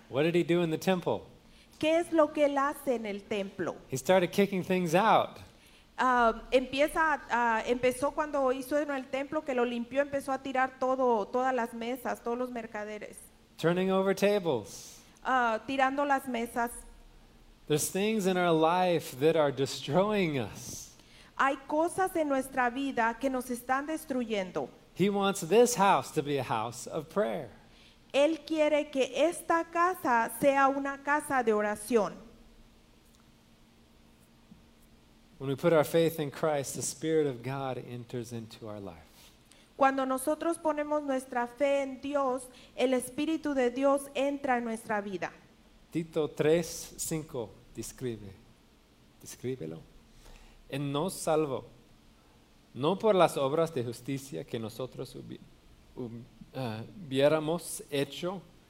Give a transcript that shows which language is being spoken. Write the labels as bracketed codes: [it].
[en] What did he do in the temple? [es] ¿Qué es lo que él hace en el templo? [en] He started kicking things out. [es] Empezó cuando hizo en el templo que lo limpió, empezó a tirar todas las mesas, todos los mercaderes. [en] Turning over tables. [es] Tirando las mesas. [en] There's things in our life that are destroying us. [es] Hay cosas en nuestra vida que nos están destruyendo. [en] He wants this house to be a house of prayer. [es] Él quiere que esta casa sea una casa de oración. [en] When we put our faith in Christ, the Spirit of God enters into our life. [es] Cuando nosotros ponemos nuestra fe en Dios, el Espíritu de Dios entra en nuestra vida. Tito 3:5 describe. Él nos salvó, no por las obras de justicia que nosotros hubiéramos hecho.